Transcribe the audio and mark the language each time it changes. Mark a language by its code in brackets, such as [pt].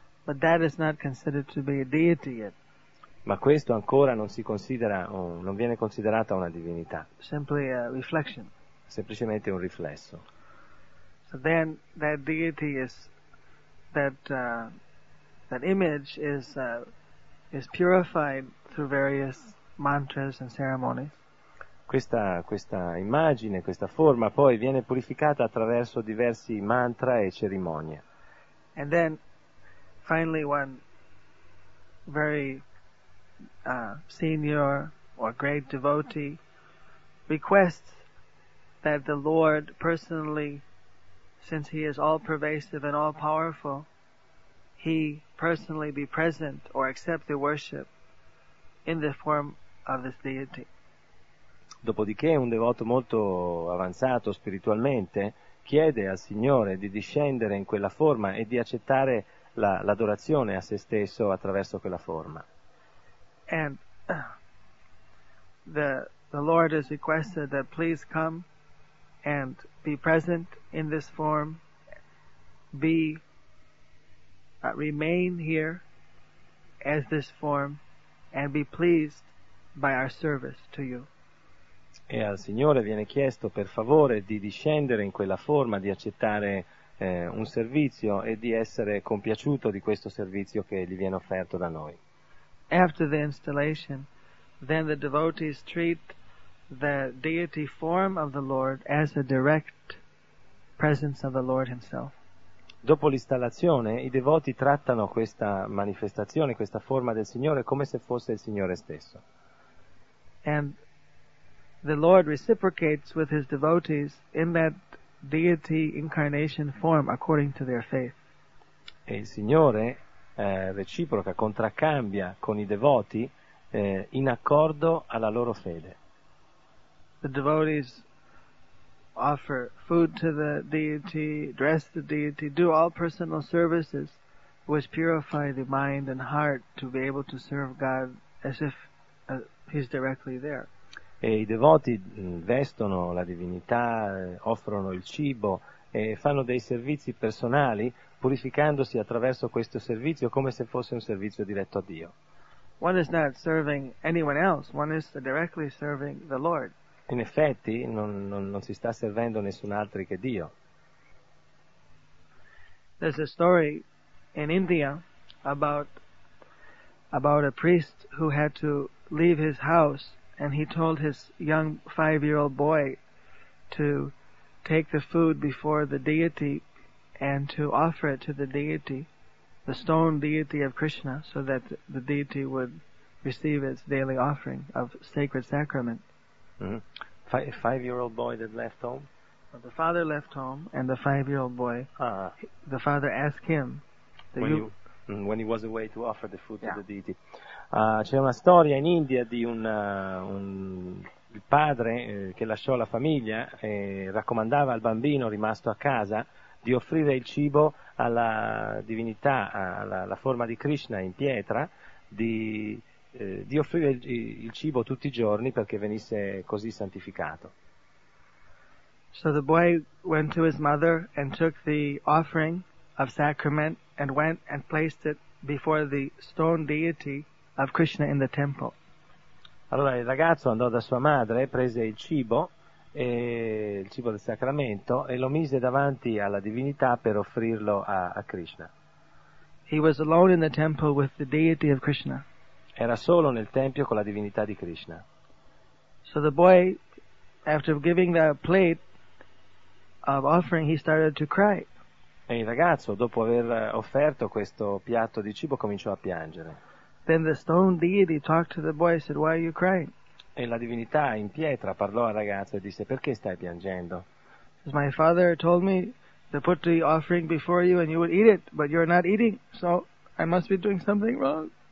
[en] But that is not considered to be a deity yet. [it] Ma questo ancora non si considera, non viene considerata una divinità. [en] Simply a reflection. [it] Semplicemente un riflesso. [en] So then that deity is that that image is purified through various mantras and ceremonies. [it] Questa immagine, questa forma poi viene purificata attraverso diversi mantra e cerimonie. [en] And then finally one very senior or great devotee requests that the Lord personally, since he is all pervasive and all powerful, he personally be present or accept the worship in the form of this deity. [it] Dopodiché un devoto molto avanzato spiritualmente chiede al Signore di discendere in quella forma e di accettare l'adorazione a se stesso attraverso quella forma. [en] And the Lord has requested that please come and be present in this form, remain here as this form, and be pleased by our service to you. [it] E al Signore viene chiesto per favore di discendere in quella forma, di accettare un servizio e di essere compiaciuto di questo servizio che gli viene offerto da noi. [en] After the installation, then the devotees treat the deity form of the Lord as a direct presence of the Lord himself. [it] Dopo l'installazione, i devoti trattano questa manifestazione, questa forma del Signore come se fosse il Signore stesso. [en] And the Lord reciprocates with his devotees in that deity incarnation form according to their faith. [it] E il Signore reciproca, contraccambia con i devoti in accordo alla loro fede. [en] The devotees offer food to the deity, dress the deity, do all personal services which purify the mind and heart to be able to serve God as if he's directly there. [it] E i devoti vestono la divinità, offrono il cibo e fanno dei servizi personali purificandosi attraverso questo servizio come se fosse un servizio diretto a Dio. [en] One is not serving anyone else, one is directly serving the Lord. [it] In effetti non si sta servendo nessun altro che Dio. [en] There's a story in India about a priest who had to leave his house. And he told his young 5-year-old boy to take the food before the deity and to offer it to the deity, the stone deity of Krishna, so that the deity would receive its daily offering of sacred sacrament. Mm-hmm. Five-year-old boy that left home? Well, the father left home and the 5-year-old boy, the father asked him, when he was away to offer the food to the deity. [it] C'è una storia in India di il padre che lasciò la famiglia e raccomandava al bambino rimasto a casa di offrire il cibo alla divinità, alla forma di Krishna in pietra, di offrire il cibo tutti i giorni perché venisse così santificato. [en] So the boy went to his mother and took the offering of sacrament and went and placed it before the stone deity of Krishna in the temple. [it] Allora il ragazzo andò da sua madre, prese il cibo, il cibo del sacramento, e lo mise davanti alla divinità per offrirlo a Krishna. [en] He was alone in the temple with the deity of Krishna. [it] Era solo nel tempio con la divinità di Krishna. [en] So the boy, after giving the plate of offering, he started to cry. [it] E il ragazzo, dopo aver offerto questo piatto di cibo, cominciò a piangere. [en] Then the stone deity talked to the boy and said, "Why are you crying?" [it] E la divinità in pietra parlò al ragazzo e disse, "Perché stai piangendo?" [en] Says, "My father told me to put the offering before you and you would eat it, but you're not eating, so I must be doing something wrong."